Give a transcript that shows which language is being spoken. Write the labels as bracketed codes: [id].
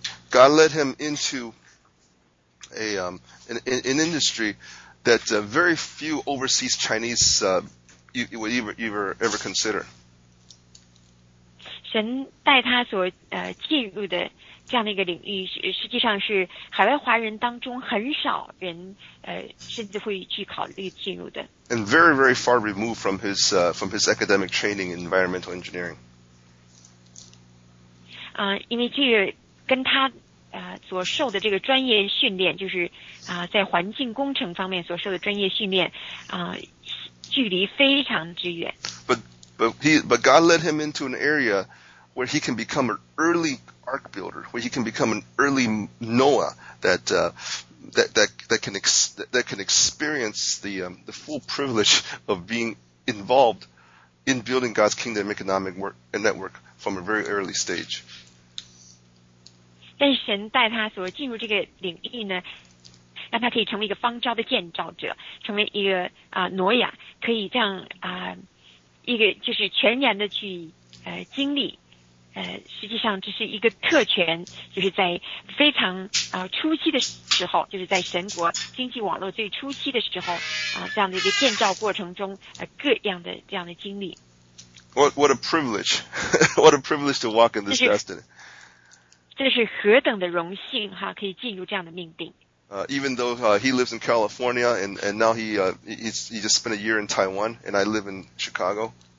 [en] God led him into an industry that very few overseas Chinese would ever consider. [zh] 神带他所进入的这样的一个领域，实际上是海外华人当中很少人甚至会去考虑进入的。 [en] And very very far removed from his academic training in environmental engineering. [zh] 因为这个跟他所受的这个专业训练，就是在环境工程方面所受的专业训练距离非常之远。 [en] But God led him into an area where he can become an early ark builder, where he can become an early Noah that can experience the full privilege of being involved in building God's kingdom economic work and network from a very early stage. [zh] 但神带他所进入这个领域呢，让他可以成为一个方舟的建造者，成为一个挪亚，可以这样一个就是全然的去经历实际上这是一个特权，就是在非常初期的时候，就是在神国经济网络最初期的时候啊，这样的一个建造过程中各样的这样的经历。 [en] What a privilege! What a privilege to walk in this destiny! [zh] 这是何等的荣幸哈，可以进入这样的命定。 [en] Even though he lives in California, and now he just spent a year in Taiwan, and I live in Chicago.